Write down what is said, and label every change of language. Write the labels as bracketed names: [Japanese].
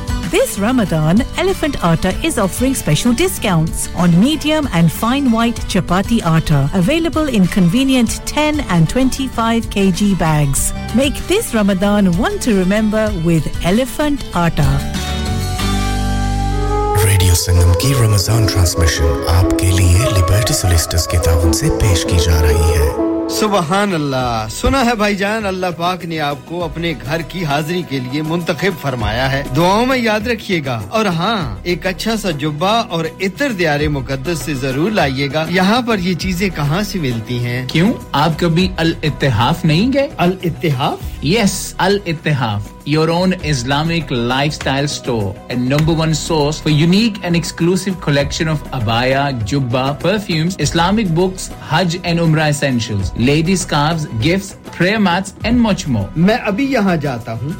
[English] This Ramadan, Elephant Atta is offering special discounts on medium and fine white chapati atta, available in convenient 10 and 25 kg bags. Make this Ramadan one to remember with Elephant Atta. [Hindi] संगम की Ramzan transmission आपके लिए liberty सोलिस्टस के तावन से पेश की जा रही है सुभान अल्लाह सुना है भाईजान अल्लाह पाक ने आपको अपने घर की हाजिरी के लिए मुंतखब फरमाया है दुआओं में याद रखिएगा और हां एक अच्छा सा जुब्बा और इत्र दियारे मुकद्दस से जरूर लाइएगा यहां पर ये चीजें कहां से मिलती हैं क्यों आप कभी अल इत्तेहाफ नहीं गए अल इत्तेहाफ yes Al इत्तेहाफ [English] your own Islamic lifestyle store and number one source for unique and exclusive collection of abaya, jubba, perfumes, Islamic books, Hajj and Umrah essentials, lady scarves, gifts, prayer mats and much more. [Hindi] Main abhi yahan jata hoon.